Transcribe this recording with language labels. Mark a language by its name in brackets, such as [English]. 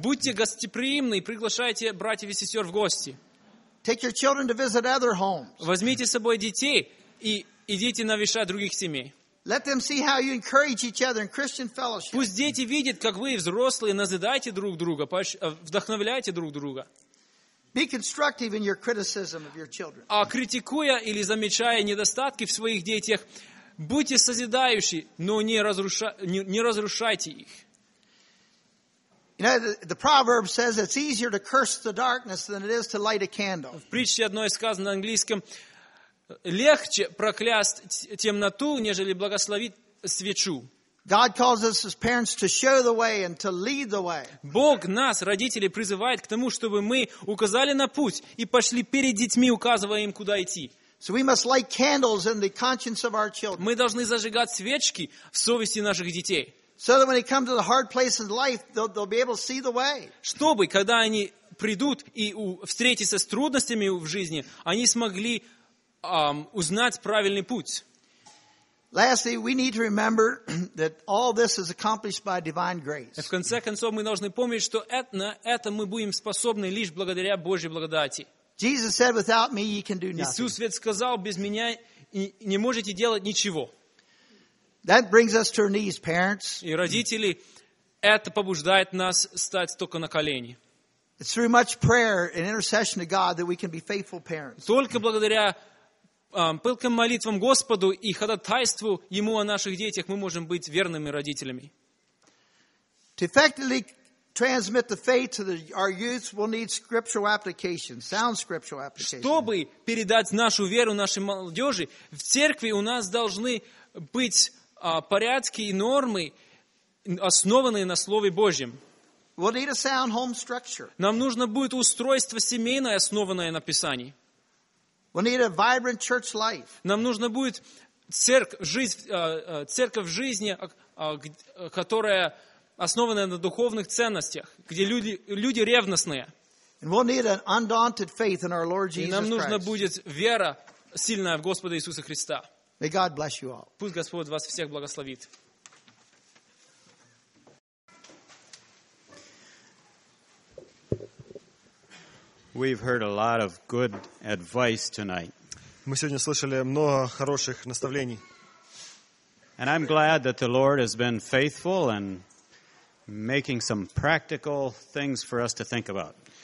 [Russian] Будьте гостеприимны и приглашайте братьев и сестер в гости. [English] Take your children to visit other homes. [Russian] Возьмите с собой детей и идите навещать других семей. [English] Let them see how you encourage each other in Christian fellowship. [Russian] Пусть дети видят, как вы, взрослые, назидаете друг друга, вдохновляете друг друга. [English] Be constructive in your criticism of your children. [Russian] А критикуя или замечая недостатки в своих детях, будьте созидающие, но не разрушайте их. [English] You know, the proverb says it's easier to curse the darkness than it is to light a candle. [Russian] В притче одной сказано на английском: легче проклясть темноту, нежели благословить свечу. [English] God calls us as parents to show the way and to lead the way. [Russian] Бог нас, родители, призывает к тому, чтобы мы указали на путь и пошли перед детьми, указывая им, куда идти. [English] So we must light candles in the conscience of our children. [Russian] Мы должны зажигать свечки в совести наших детей. [English] So that when they come to the hard place in life, they'll be able to see the way. [Russian] Чтобы когда они придут и встретятся с трудностями в жизни, они смогли узнать правильный путь. [English] Lastly, we need to remember that all this is accomplished by divine grace. [Russian] В конце концов, мы должны помнить, что на это мы будем способны лишь благодаря Божьей благодати. [English] Jesus said, "Without me, you can do nothing." [Russian] Иисус ведь сказал: без меня не можете делать ничего. [English] That brings us to our knees, parents. [Russian] И родители, это побуждает нас стать только на колени. [English] It's through much prayer and intercession to God that we can be faithful parents. [Russian] Только благодаря пылким молитвам Господу и ходатайству Ему о наших детях мы можем быть верными родителями. [English] To effectively transmit the faith to our youth, we'll need scriptural application, sound scriptural application. [Russian] Чтобы передать нашу веру нашей молодежи, в церкви у нас должны быть порядки и нормы, основанные на Слове Божьем. [English] We'll need a sound home structure. [Russian] Нам нужно будет устройство семейное, основанное на Писании. [English] We'll need a vibrant church life. [Russian] Нам нужно будет церковь жизни, которая основана на духовных ценностях, где люди ревностные. [English] And we'll need an undaunted faith in our Lord Jesus Christ. [Russian] И нам нужна будет вера сильная в Господа Иисуса Христа. [English] May God bless you all. [Russian] Пусть Господь вас всех благословит. [English] We've heard a lot of good advice tonight. [Russian] Мы сегодня слышали много хороших наставлений. [English] And I'm glad that the Lord has been faithful and making some practical things for us to think about.